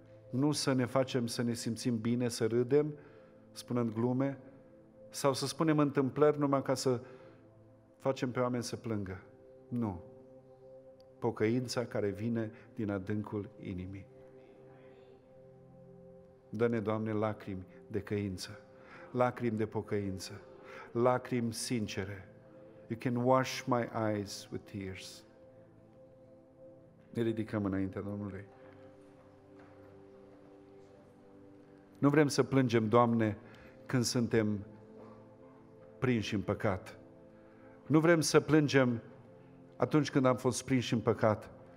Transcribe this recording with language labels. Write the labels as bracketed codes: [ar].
[ro] Nu să ne facem să ne simțim bine, să râdem, spunând glume, sau să spunem întâmplări numai ca să facem pe oameni să plângă. Nu. Pocăința care vine din adâncul inimii. Dă-ne, Doamne, lacrimi de căință, lacrimi de pocăință, lacrimi sincere. [en] You can wash my eyes with tears. [ro] Ne ridicăm înaintea Domnului. Nu vrem să plângem, Doamne, când suntem prinși în păcat. Nu vrem să plângem atunci când am fost prinși în păcat.